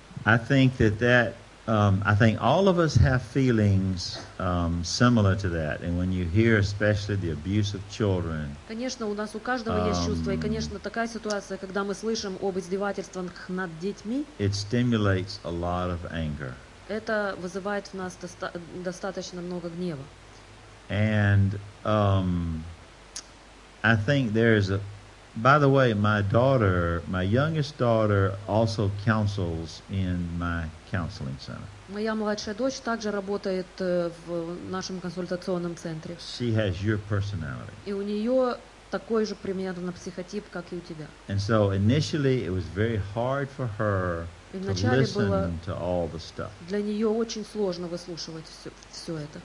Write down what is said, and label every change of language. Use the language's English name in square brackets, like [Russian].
[English] I think all of us have feelings similar to that, and when you hear especially the abuse of children. [Russian] Конечно, у нас у каждого есть чувства, и конечно такая ситуация, когда мы слышим об издевательствах над детьми. [English] It stimulates a lot of anger. [Russian] Это вызывает в нас достаточно много гнева. [English] And I think there's a. By the way, my daughter, my youngest daughter, also counsels in my counseling center. [Russian] Моя младшая дочь также работает в нашем консультационном центре. [English] She has your personality. [Russian] И у нее такой же примерно психотип, как и у тебя. [English] And so initially, it was very hard for her to listen to all the stuff. [Russian] Для нее очень сложно выслушивать все это.